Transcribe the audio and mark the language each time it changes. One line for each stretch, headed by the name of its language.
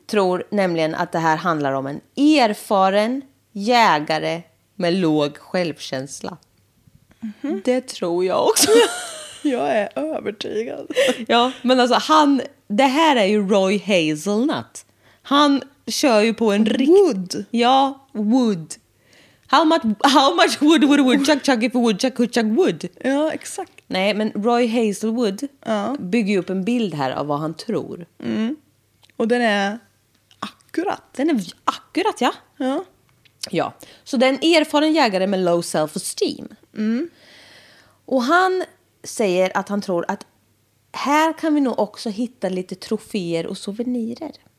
Swedish: Tror nämligen att det här handlar om en erfaren jägare med låg självkänsla. Mm-hmm. Det tror jag också. Jag är övertygad. Ja, men alltså han, det här är ju Roy Hazelnut. Han kör ju på en
English: Wood.
Swedish: Ja, Wood.
English: How much wood would a woodchuck chuck if a woodchuck could chuck wood?
Swedish: Ja, exakt. Nej, men Roy Hazelwood, ja, bygger ju upp en bild här av vad han tror. Mm. Och den är akkurat. Den är akkurat, ja. Ja. Ja. Så det är en erfaren jägare med
English: low self-esteem. Mm.
Swedish: Och han säger att han tror att här kan vi nog också hitta lite troféer och souvenirer.